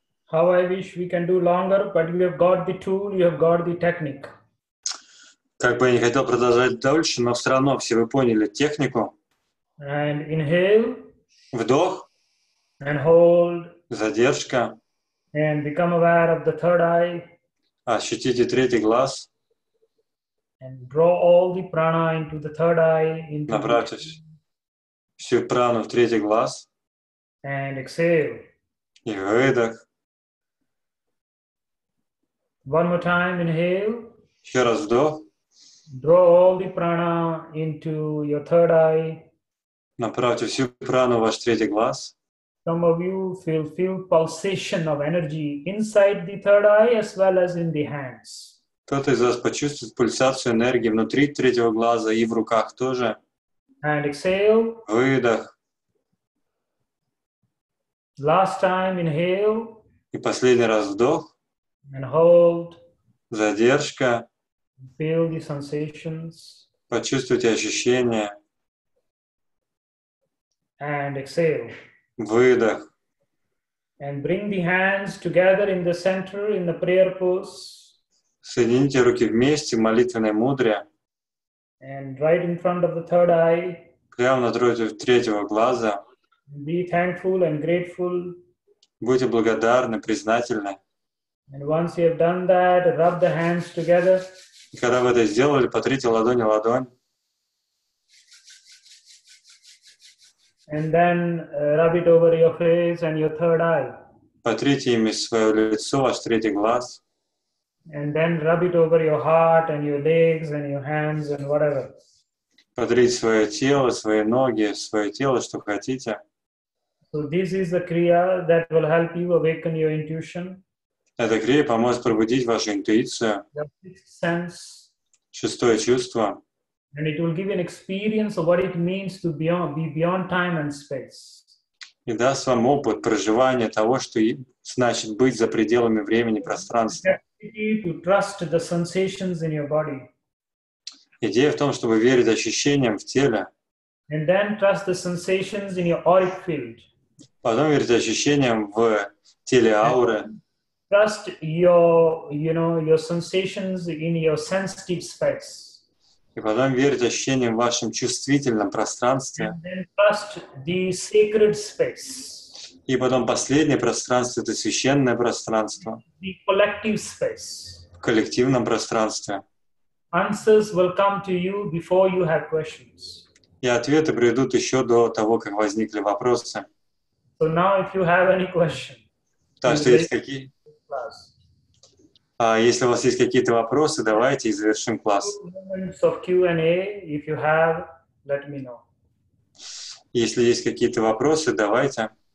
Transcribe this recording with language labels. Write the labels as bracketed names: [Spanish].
[English] How I wish we can do longer, but you have got the tool, you have got the technique. [Russian] Как бы я не хотел продолжать дольше, но все равно все вы поняли технику. [English] And inhale. [Russian] Вдох. [English] And hold. [Russian] Задержка. [English] And become aware of the third eye. [Russian] Ощутите третий глаз. [English] And draw all the prana into the third eye. Into [Russian] Направьте всю прану в третий глаз. [English] And exhale. [Russian] И выдох. [English] One more time, inhale. [Russian] Еще раз вдох. [English] Draw all the prana into your third eye. [Russian] Направьте всю прану в ваш третий глаз. [English] Some of you feel pulsation of energy inside the third eye as well as in the hands. [Russian] Кто-то из вас почувствует пульсацию энергии внутри третьего глаза и в руках тоже. [English] And exhale. [Russian] Выдох. [English] Last time, inhale. [Russian] И последний раз вдох. [English] And hold. [Russian] Задержка. [English] Feel the sensations. [Russian] Почувствуйте ощущения. [English] And exhale. [Russian] Выдох. [English] And bring the hands together in the center in the prayer pose. [Russian] Соедините руки вместе в молитвенной мудре. [English] And right in front of the third eye. [Russian] Прямо напротив третьего глаза. [English] Be thankful and grateful. [Russian] Будьте благодарны, признательны. [English] And once you have done that, rub the hands together. [Russian] И когда вы это сделали, потрите ладонь в ладонь. [English] And then rub it over your face and your third eye. [Russian] Потрите ими свое лицо, ваш третий глаз. [English] And then rub it over your heart and your legs and your hands and whatever. [Russian] Потрите свое тело, свои ноги, свое тело, что хотите. [English] So this is the kriya that will help you awaken your intuition. [Russian] Эта крия поможет пробудить вашу интуицию. [English] The sixth sense. [Russian] Шестое чувство. [English] And it will give an experience of what it means to be beyond time and space. [Russian] И даст вам опыт проживания того, что значит быть за пределами времени и пространства. [English] To trust the sensations in your body. [Russian] Идея в том, чтобы верить ощущениям в теле. [English] And then trust the sensations in your auric field. [Russian] Потом верить ощущениям в теле ауры. [English] Trust your sensations in your sensitive space. [Russian] И потом верить ощущениям в вашем чувствительном пространстве. [English] And then trust the sacred space. [Russian] И потом последнее пространство — это священное пространство. [English] The collective space. [Russian] В коллективном пространстве. [English] Answers will come to you before you have questions. [Russian] И ответы придут еще до того, как возникли вопросы. [English] So now if you have any question, [Russian] так что есть какие? Если у вас есть какие-то вопросы, давайте и завершим класс. Если есть какие-то вопросы, давайте.